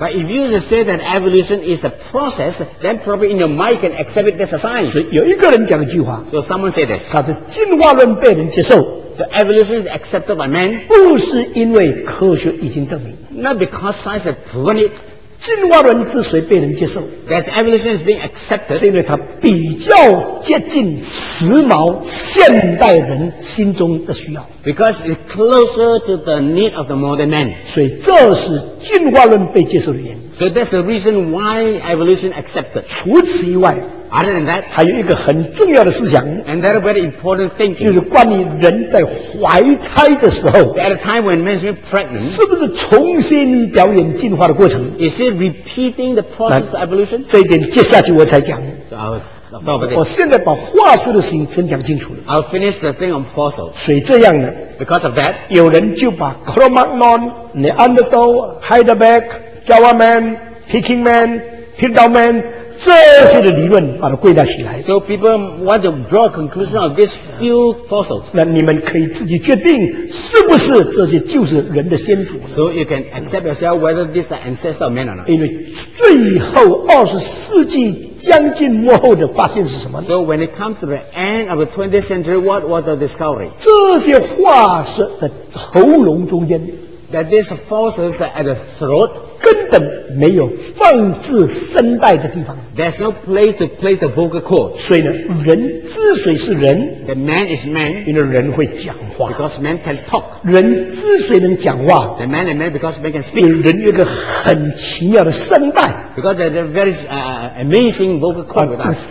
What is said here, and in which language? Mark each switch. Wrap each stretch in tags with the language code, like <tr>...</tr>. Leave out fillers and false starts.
<en>But if you say that evolution is a process, then probably in your mind can accept it as a science.</en> <zh>所以有一个人讲一句话</zh> <en>，So someone said this，</en> <zh>他是进化论被人接受。</zh> <en>So evolution is accepted by man，</en> <zh>不是因为科学已经证明</zh> <en>，Not because science has proven it。</en> <zh>进化论之所以被人接受</zh> <en>，That evolution is being accepted，</en> <zh>是因为它比较接近时髦现代人心中的需要。</zh> <en>Because it's closer to the need of the modern man，</en> <zh>所以这是进化论被接受的原因。</zh> <en>So that's the reason why evolution accepted。</en> <zh>除此以外</zh> <en>，Other than that，</en> <zh>还有一个很重要的思想</zh> <en>，And that's very important thing，</en> <zh>就是关于人在怀胎的时候</zh> <en>，At a time when men are pregnant，</en> <zh>是不是重新表演进化的过程</zh> <en>？Is it repeating the process of evolution？</en> <zh>这一点接下去我才讲。</zh> <en>So I was</en> <zh>我现在把化石的事情真讲清楚了。</zh> <en>I'll finish the thing on fossils.</en> <zh>所以这样呢</zh> <en>？Because of that，</en> <zh>有人就把 Cro-Magnon、Neanderthal、Heidelberg、Java man、Peking man、Hildau man。这些的理论把它归纳起来。</zh> <en>So people want to draw a conclusion of these few fossils.</en> <zh>那你们可以自己决定是不是这些就是人的先祖。</zh> <en>So you can accept yourself whether these are ancestral men or not.</en> <zh>因为最后二十世纪将近末后的发现是什么呢</zh> <en>？So when it comes to the end of the 20th century, what was the discovery?</en> <zh>这些化石的喉咙中间。</zh> <en>That these fossils are at the throat.</en> <zh>根本没有放置声带的地方。</zh> <en>There's no place to place the vocal cord.</en> <zh>所以呢，人之所以是人</zh> <en>，The man is man.</en> <zh>因为人会讲话。</zh> <en>Because man can talk.</en> <zh>人之所以能讲话</zh> <en>，The man is man because man can speak.</en> <zh>人有个很奇妙的声带</zh> <en>，Because there's a very amazing vocal cord with us.</en>